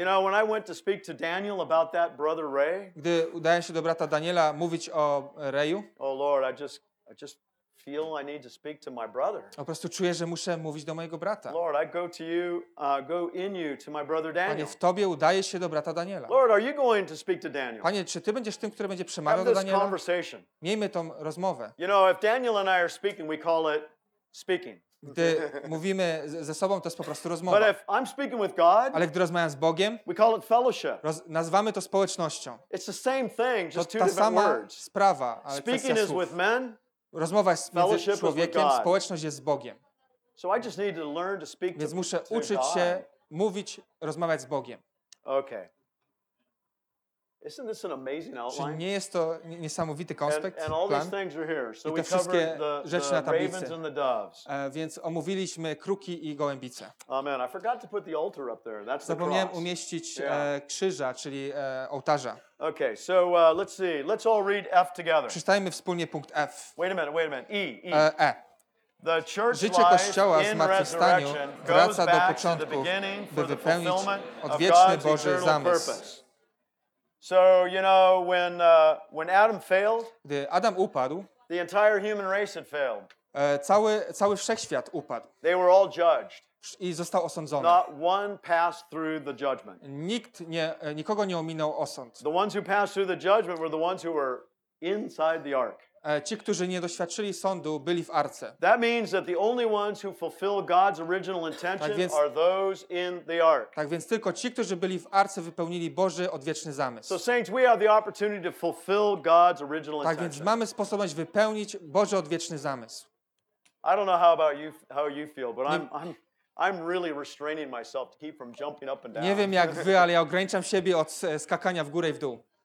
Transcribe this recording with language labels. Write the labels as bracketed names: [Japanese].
[English] You know, when I went to speak to Daniel about that brother Ray. [Polish] Gdy udaję się do brata Daniela mówić o Rayu. [English] Oh Lord, I just feel I need to speak to my brother. [Polish] Po prostu czuję, że muszę mówić do mojego brata. [English] Lord, I go to you, go in you to my brother Daniel. [Polish] Panie, w Tobie udaję się do brata Daniela. [English] Lord, are you going to speak to Daniel? [Polish] Panie, czy Ty będziesz tym, który będzie przemawiał do Daniela? [English] Have this conversation. [Polish] Miejmy tą rozmowę. [English] You know, if Daniel and I are speaking, we call it speaking. [Polish] Gdy mówimy ze sobą, to jest po prostu rozmowa. [English] But if I'm speaking with God, [Polish] ale gdy rozmawiam z Bogiem, [English] we call it fellowship. [Polish] Nazywamy to społecznością. [English] It's the same thing, just [Polish] to ta sama sprawa, ale [English] speaking [Polish] kwestia słów. [English] Is with men, [Polish] rozmowa jest między człowiekiem, społeczność jest z Bogiem. [English] So I just need to learn to speak [Polish] więc to, muszę to uczyć [English] God. [Polish] Się mówić, rozmawiać z Bogiem. [English] Okay. Isn't this an amazing outline? [Polish] Czy nie jest to niesamowity konspekt, [English] and all these things are here. So [Polish] i te wszystkie rzeczy na tablicy. [English] And the doves. [Polish] Więc omówiliśmy kruki i gołębice. [English] Amen. I forgot to put the altar up there. That's the cross. [Polish] Zapomniałem umieścić krzyża, czyli ołtarza. [English] Okay, so let's see. Let's all read F together. [Polish] Przeczytajmy wspólnie punkt F. [English] Wait a minute. E. The church [Polish] życie Kościoła w zmartwychwstaniu wraca do początku, by wypełnić odwieczny Boży zamysł. [English] So, you know, when Adam failed, [Polish] gdy Adam upadł, [English] the entire human race had failed. [Polish] Cały wszechświat upadł. [English] They were all judged. [Polish] I został osądzony. [English] Not one passed through the judgment. [Polish] Nikogo nie ominął osąd. [English] The ones who passed through the judgment were the ones who were inside the ark. [Polish] Ci, którzy nie doświadczyli sądu, byli w arce. [English] That means that the only ones who fulfill God's original intention are those in the ark. [Polish] Tak więc tylko ci, którzy byli w arce, wypełnili Boży odwieczny zamysł. [English] So saints, we have the opportunity to fulfill God's original intention. [Polish] Tak więc mamy sposobność wypełnić Boży odwieczny zamysł. [English] I don't know how about you, how you feel, but I'm really restraining myself to keep from jumping up and down. [Polish] Nie wiem jak wy, ale ja ograniczam siebie od skakania w górę i w dół.